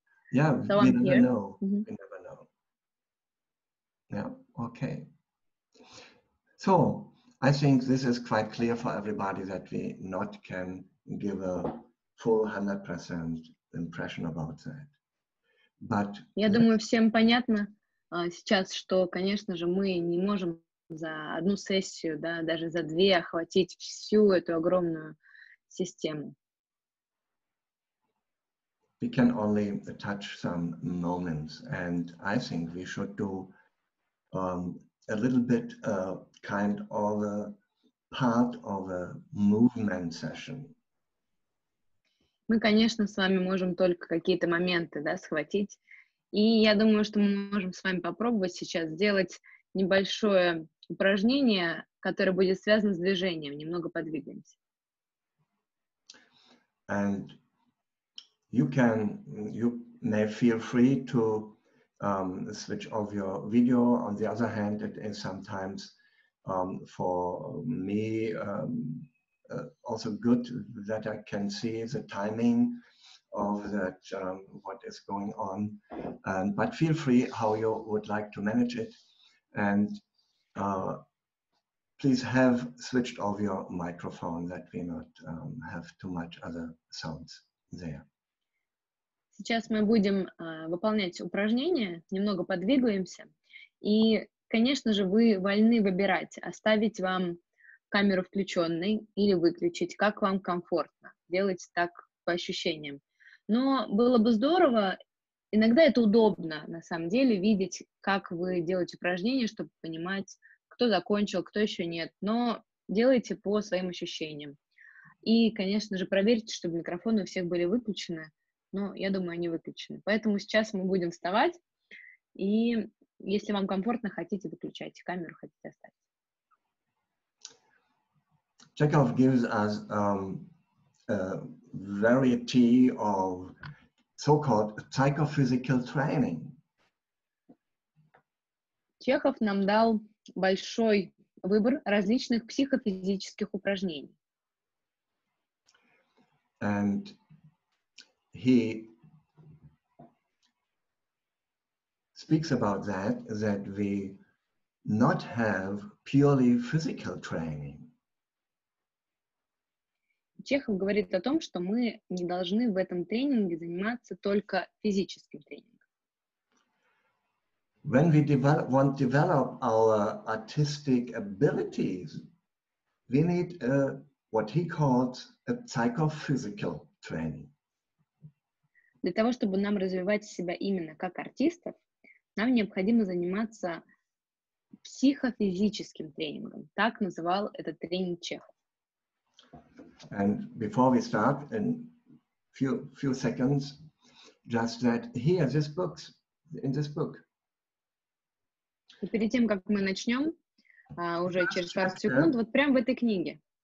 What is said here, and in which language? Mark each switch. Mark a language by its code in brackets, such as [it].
[en] Yeah, so we never here. Know. Mm-hmm. We never know. Yeah, okay. So I think this is quite clear for everybody that we not can give a full 100% impression about that. But [ru] я думаю, всем понятно сейчас, что, конечно же, мы не можем за одну сессию, да, даже за две охватить всю эту огромную систему. [en] We can only touch some moments, and I think we should do a little bit kind of a part of a movement session. [ru] Мы, конечно, с вами можем только какие-то моменты, да, схватить. И я думаю, что мы можем с вами попробовать сейчас сделать небольшое упражнение, которое будет связано с движением. Немного подвигаемся. [en] And you can, you may feel free to switch off your video. On the other hand, it is sometimes for me also good that I can see the timing of that, what is going on. But feel free how you would like to manage it. And please have switched off your microphone that we not have too much other sounds there. [ru] Сейчас мы будем выполнять упражнение, немного подвигаемся. И, конечно же, вы вольны выбирать, оставить вам камеру включенной или выключить, как вам комфортно. Делайте так по ощущениям. Но было бы здорово, иногда это удобно, на самом деле, видеть, как вы делаете упражнение, чтобы понимать, кто закончил, кто еще нет. Но делайте по своим ощущениям. И, конечно же, проверьте, чтобы микрофоны у всех были выключены. Но я думаю, они выключены. Поэтому сейчас мы будем вставать. И если вам комфортно, хотите, выключайте камеру, хотите оставить. [en] Chekhov gives us a variety of so-called psychophysical training. [ru] Чехов нам дал большой выбор различных психофизических упражнений. [en] And he speaks about that we not have purely physical training. [ru] Чехов говорит о том, что мы не должны в этом тренинге заниматься только физическим тренингом. [en] When we develop our artistic abilities, we need what he calls a psychophysical training. [ru] Для того, чтобы нам развивать себя именно как артистов, нам необходимо заниматься психофизическим тренингом. Так называл этот тренинг Чехов. [en] And before we start, in few seconds, just that here, this book, in this book. [ru] И перед тем, как мы начнем, уже через пару секунд, вот прямо в этой книге.